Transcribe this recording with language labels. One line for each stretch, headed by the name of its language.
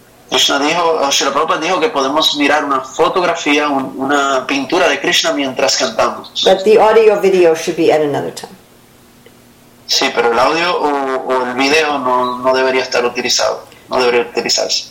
Spanish: Krishna dijo, Srila Prabhupada dijo que podemos mirar una fotografía, una pintura de Krishna mientras cantamos.
English: But the audio video should be at another time.
Spanish: Sí, pero el audio o el video no debería estar utilizado, no debería utilizarse.